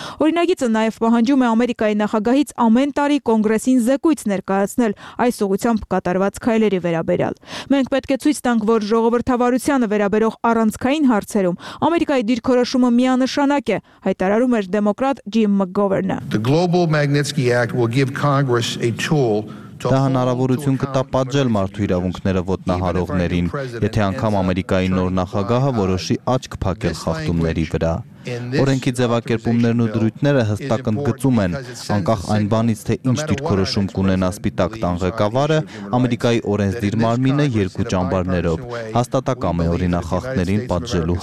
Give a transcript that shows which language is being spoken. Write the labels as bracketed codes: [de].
[hy] Օրինագիծը նաև պահանջում է Ամերիկայի նախագահից ամեն տարի կոնգրեսին զեկույց ներկայացնել այս ուղղությամբ կատարված քայլերի վերաբերյալ։ Մենք պետք է ցույց տանք, որ ժողովրդավարությանը վերաբերող առանցքային հարցերում Ամերիկայի դիրքորոշումը միանշանակ է, հայտարարում էր դեմոկրատ Ջիմ Մկգովերնը։ [en] The Global Magnitsky Act will give Congress a tool. [hy] Դա հնարավորություն կտա պատժել մարդու իրավունքները ոտնահարողներին, եթե անգամ Ամերիկայի նոր նախագահը որոշի աչք փակել խախտումների վրա։ Օրենքի ձևակերպումներն ու դրույթները հստակ ընդգծում են, անկախ այն բանից, թե ինչ դիրքորոշում կունենա Սպիտակ տան ղեկավարը, Ամերիկայի օրենսդիր մարմինը երկու ճամբարներով հաստատակամ է օրինախախտերին պատժելու